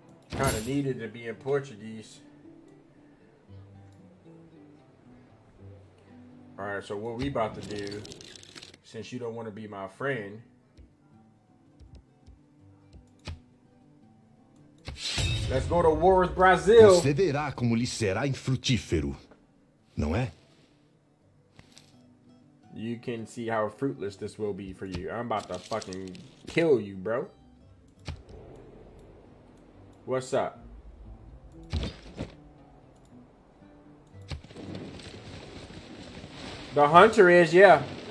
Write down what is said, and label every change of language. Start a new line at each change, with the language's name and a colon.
English: Kind of needed to be in Portuguese. All right, so what we about to do, since you don't want to be my friend. Let's go to war with Brazil.
Portuguese: Você verá como lhe será infrutífero, não é?
English: You can see how fruitless this will be for you. I'm about to fucking kill you, bro. What's up? The hunter is, yeah.